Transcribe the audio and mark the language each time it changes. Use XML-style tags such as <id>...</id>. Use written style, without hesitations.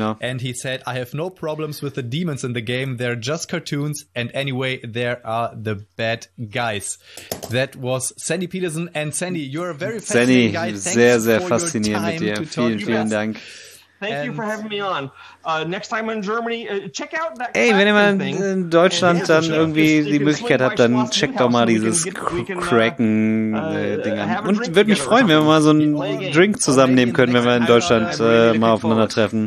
<en>And he said, I have no problems with the demons in the game. They're just cartoons and anyway, there are the bad guys. That was Sandy Peterson. And Sandy, you're a very fascinating guy.</en> <de>Sehr, sehr faszinierend mit dir. Vielen, vielen Dank.</de> <en>Thank you for having me on. Next time in Germany, check out that.</en> <de>Hey, wenn ihr mal in Deutschland dann irgendwie die Möglichkeit habt, dann check doch mal dieses Kraken-Ding an. Und würde mich freuen, wenn wir mal so einen Drink zusammen nehmen können, wenn wir in Deutschland mal aufeinander treffen.</de>